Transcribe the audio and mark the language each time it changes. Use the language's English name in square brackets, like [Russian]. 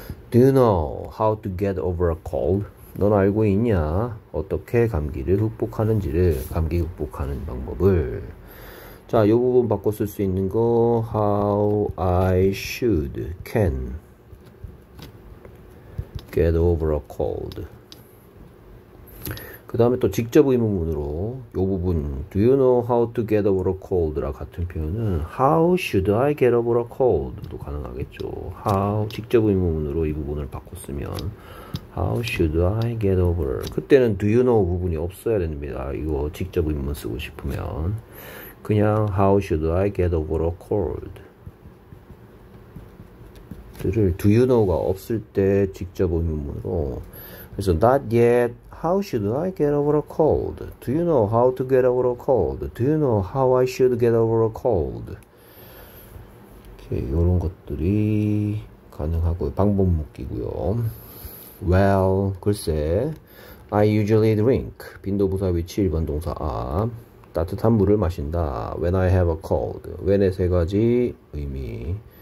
[English] Do you know how to get over a cold? [Korean] 넌 알고 있냐? 어떻게 감기를 극복하는지를 감기 극복하는 방법을. 자, 요 부분 바꿔 쓸수 있는 거 [English] how I should can get over a cold. [Korean] 그 다음에 또 직접 의문문으로 요 부분 [English] Do you know how to get over a cold? [Korean] 라 같은 표현은 [English] How should I get over a cold? [Korean] 도 가능하겠죠. How 직접 의문문으로 이 부분을 바꿨으면 [English] How should I get over? [Korean] 그때는 [English] Do you know [Korean] 부분이 없어야 됩니다. 이거 직접 의문문 쓰고 싶으면 그냥 [English] How should I get over a cold? [Korean] 를 Do you know가 없을 때 직접 의문문으로 그래서 [English] Not yet. How should I get over a cold? Do you know how to get over a cold? Do you know how I should get over a cold? [Korean] 이렇게 이런 것들이 가능하고 방법 묶이고요. [English] Well, [Korean] 글쎄, [English] I usually drink. [Korean] 빈도부사 위치 1번 동사 아 따뜻한 물을 마신다. [English] When I have a cold. When의 [Korean] 세 가지 의미.